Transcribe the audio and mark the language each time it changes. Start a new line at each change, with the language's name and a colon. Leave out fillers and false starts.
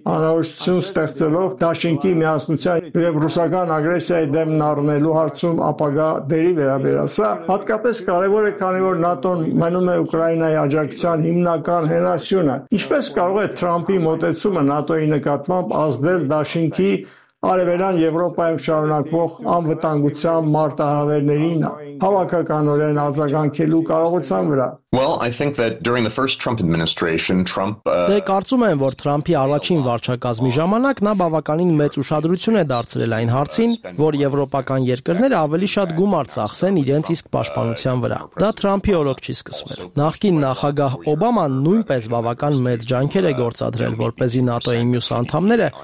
Armenian: անհրաժեշտություն ստեղծելով Դաշինքի միասնության եւ ռուսական ագրեսիայի դեմ նառնելու հարցում ապագա դերի վերաբերյալ։ Սա հատկապես կարևոր է, քանի որ ՆԱՏՕ-ն մնում է Ուկրաինայի աջակցության հիմնական հերաշյունը։ Ինչպես կարող է Թրամփի մոտեցումը ՆԱՏՕ-ի նկատմամբ ազդել Դաշինքի Արևելյան Եվրոպայում շարունակվող անվտանգության մարտահրավերներին հավաքականորեն արձագանքելու կարողության վրա։
English: Well, I think that during the first Trump administration, Trump
Armenian: Դե կարծում եմ, որ Թրամփի առաջին վարչակազմի ժամանակ նա բավականին մեծ ուշադրություն է դարձրել այն հարցին, որ եվրոպական երկրները ավելի շատ գումար ծախսեն իրենց իսկ պաշտպանության վրա։ Դա Թրամփի օրոք չի սկսվել։ Նախկին նախագահ Օբաման նույնպես բավական մեծ ջանքեր է գործադրել, որպեսզի ՆԱՏՕ-ի մյուս անդամները